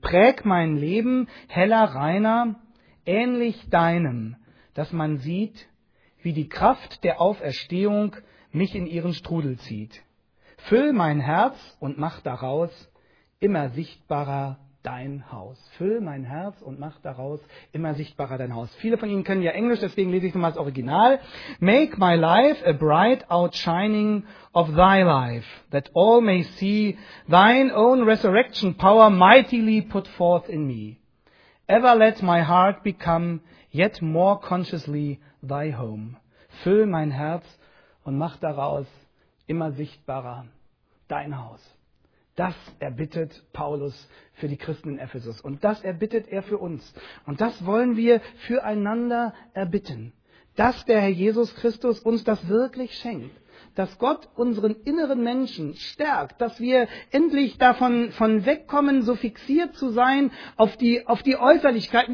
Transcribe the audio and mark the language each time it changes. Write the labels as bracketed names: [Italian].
[German] Präg mein Leben heller, reiner, ähnlich deinem, dass man sieht, wie die Kraft der Auferstehung mich in ihren Strudel zieht. Füll mein Herz und mach daraus immer sichtbarer dein Haus. Füll mein Herz und mach daraus immer sichtbarer dein Haus. Viele von Ihnen kennen ja Englisch, deswegen lese ich nochmal das Original. [English] Make my life a bright outshining of thy life, that all may see thine own resurrection power mightily put forth in me. Ever let my heart become yet more consciously thy home. [German] Füll mein Herz und mach daraus immer sichtbarer dein Haus. Das erbittet Paulus für die Christen in Ephesus. Und das erbittet er für uns. Und das wollen wir füreinander erbitten. Dass der Herr Jesus Christus uns das wirklich schenkt. Dass Gott unseren inneren Menschen stärkt, dass wir endlich davon wegkommen, so fixiert zu sein auf die Äußerlichkeiten.